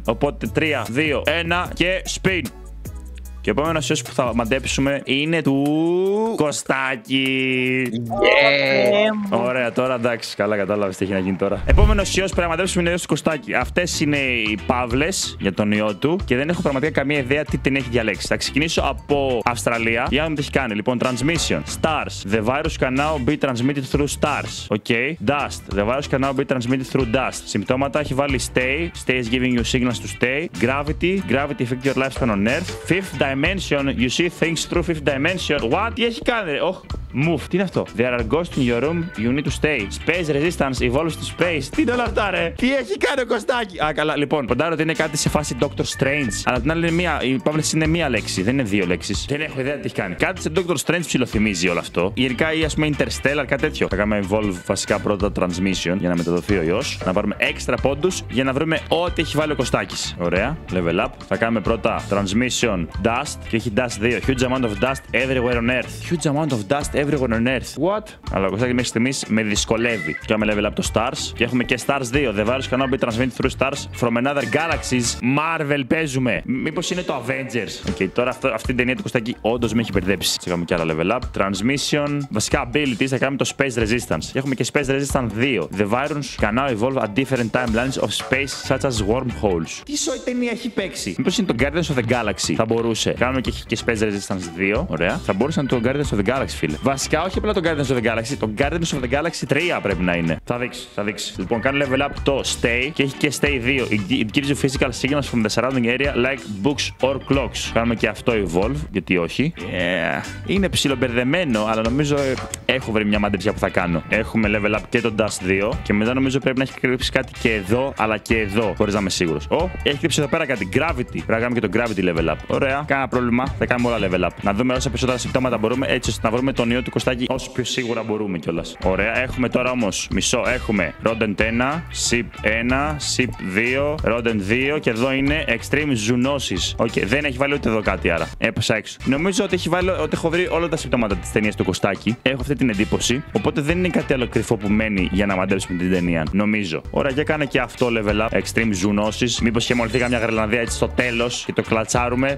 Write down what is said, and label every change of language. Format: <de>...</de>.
<el>Οπότε 3, 2, 1 και spin. Και ο επόμενος ιός που θα μαντέψουμε είναι του Κωστάκη.</el> <en>Yeah.</en> <el>Ωραία, τώρα εντάξει, καλά κατάλαβες τι έχει να γίνει τώρα. Επόμενος ιός που πρέπει να μαντέψουμε είναι ο ιός του Κωστάκη. Αυτές είναι οι παύλες για τον ιό του και δεν έχω πραγματικά καμία ιδέα τι την έχει διαλέξει. Θα ξεκινήσω από Αυστραλία. Για να δούμε τι έχει κάνει. Λοιπόν, transmission.</el> <en>Stars. The virus can now be transmitted through stars. Okay. Dust. The virus can now be transmitted through dust.</en> <el>Συμπτώματα έχει βάλει stay.</el> <en>Stay is giving you signals to stay. Gravity. Gravity affects your lifespan on earth. Fifth dimension, you see things through fifth dimension. What?</en> <el>Τι έχει κάνει, ρε.</el> <en>Oh, move.</en> <el>Τι είναι αυτό.</el> <en>There are ghosts in your room, you need to stay. Space resistance evolves to space.</en> <el>Τι είναι όλα αυτά, ρε. Τι έχει κάνει ο Κωστάκη. Α, καλά, λοιπόν. Ποντάρω ότι είναι κάτι σε φάση Doctor Strange. Αλλά την άλλη είναι μία. Η παύλες είναι μία λέξη, δεν είναι δύο λέξεις. Δεν έχω ιδέα τι έχει κάνει. Κάτι σε Doctor Strange ψιλοθυμίζει όλο αυτό. Γενικά ή α πούμε Interstellar, κάτι τέτοιο. Θα κάνουμε evolve βασικά πρώτα transmission για να μεταδοθεί ο ιός. Να πάρουμε έξτρα πόντους για να βρούμε ό,τι έχει βάλει ο Κωστάκης. Ωραία. Level up. Θα κάνουμε πρώτα transmission. Και έχει dust 2.</el> <en>Huge amount of dust everywhere on earth. Huge amount of dust everywhere on earth. What?</en> <el>Αλλά ο Κωστάκης μέχρι στιγμής με δυσκολεύει. Κάμε level up το stars. Και έχουμε και stars 2.</el> <en>The virus cannot be transmitted through stars from another galaxies.</en> <el>Marvel παίζουμε. Μήπως είναι το Avengers. Okay, τώρα αυτή η ταινία του Κωστάκη όντως με έχει μπερδέψει. Θα κάνουμε και άλλα level up. Transmission. Βασικά abilities. Θα κάνουμε το space resistance. Και έχουμε και space resistance 2.</el> <en>The virus can now evolve at different timelines of space such as wormholes.</en> <el>Τι σοϊ ταινία έχει παίξει. Μήπως είναι το Guardians of the Galaxy. Θα μπορούσε. Κάνουμε και Space Resistance 2. Ωραία. Θα μπορούσε να το Guardians of the Galaxy, φίλε. Βασικά, όχι απλά τον Guardians of the Galaxy. Τον Guardians of the Galaxy 3 πρέπει να είναι. Θα δείξει, θα δείξει. Λοιπόν, κάνει level up το Stay και έχει και Stay 2.</el> <en>It gives you physical signals from the surrounding area like books or clocks.</en> <el>Κάνουμε και αυτό evolve, γιατί όχι. Yeah. Είναι ψιλομπερδεμένο, αλλά νομίζω έχω βρει μια μαντρίτσια που θα κάνω. Έχουμε level up και τον Dust 2 και μετά νομίζω πρέπει να έχει κρύψει κάτι και εδώ, αλλά και εδώ, χωρίς να είμαι σίγουρος. Oh, έχει κρύψει εδώ πέρα κάτι. Gravity. Πρέπει να κάνουμε και τον Gravity level up. Ωραία, κάνα πρόβλημα. Θα κάνουμε όλα level up. Να δούμε όσα περισσότερα συμπτώματα μπορούμε, έτσι ώστε να βρούμε τον ιό του Κωστάκη όσο πιο σίγουρα μπορούμε κιόλας. Ωραία, έχουμε τώρα όμως μισό. Έχουμε Rodent 1, Sip 1, Sip 2, Rodent 2 και εδώ είναι Extreme Zoonosis. Okay, δεν έχει βάλει ούτε εδώ κάτι άρα. Έπεσα έξω. Νομίζω ότι, ότι έχω βρει όλα τα συμπτώματα της ταινίας του Κωστάκη. Έχω αυτή την εντύπωση. Οπότε δεν είναι κάτι άλλο κρυφό που μένει για να μαντέψουμε την ταινία. Νομίζω. Ωραία, για κάνε και αυτό level up. Extreme Zoonosis. Μήπως και μολυθεί καμιά γρελανδία έτσι στο τέλος και το κλατσάρουμε.</el>